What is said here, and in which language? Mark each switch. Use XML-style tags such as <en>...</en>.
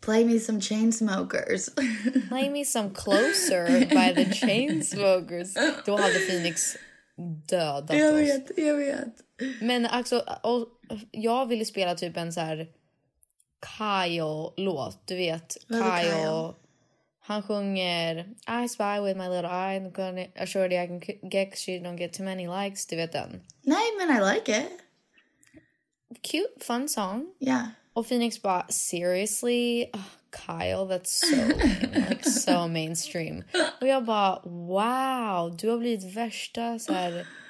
<en>Play me some Chainsmokers. Play me some Closer by the Chainsmokers.</en> <sv>Då hade Phoenix dödat oss. Jag vet. Men alltså och jag ville spela typ en så här Kyle-låt, du vet, Kyle. Han sjunger</sv> <en>I spy with my little eye and gonna assure that I can get she don't get too many likes,</en> <sv>du vet den. Nej, men</sv> <en>I like it. Cute, fun song. Yeah.</en> <sv>Och Phoenix bara, seriously?</sv> <en>Oh, Kyle, that's so lame, like, so mainstream.</en> <sv>Och jag bara, wow, du har blivit värsta så här.</sv>